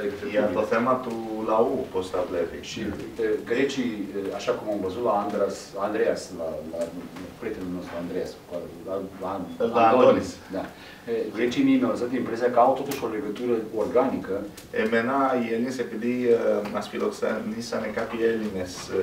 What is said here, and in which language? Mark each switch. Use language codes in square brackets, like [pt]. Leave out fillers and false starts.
[el] Για το θέμα του λαού, πώς θα βλέπει. [ro] Și grecii, așa cum am văzut la Andreas, la prietenul nostru Andreas, la Antonis. Grecii mi-au lăsat impresia că au totuși o legătură organică. [el] Εμένα οι Έλληνες, επειδή μας φιλοξενήσανε κάποιοι Έλληνες